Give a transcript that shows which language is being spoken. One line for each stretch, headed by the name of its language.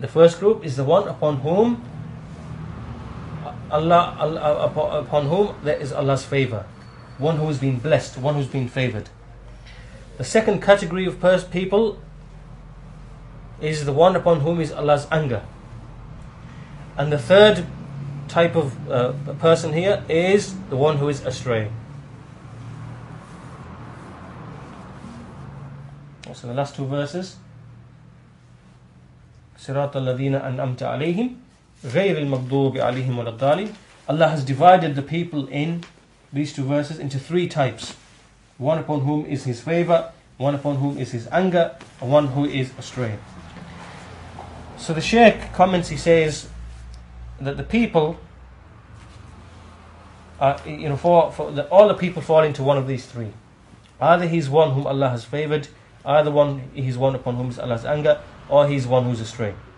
English: The first group is the one upon whom there is Allah's favor, one who has been blessed, one who has been favored. The second category of people is the one upon whom is Allah's anger. And the third type of person here is the one who is astray.
Arabic: So the last two verses, صراط الذين أنعمت عليهم غير المغضوب عليهم ولا الضالين.
English: Allah has divided the people in these two verses into three types: one upon whom is His favor, one upon whom is His anger, and one who is astray. So the Shaykh comments, he says that the people are, you know, all the people fall into one of these three: either he's one whom Allah has favored, either one he's one upon whom is Allah's anger, or he's one who's astray.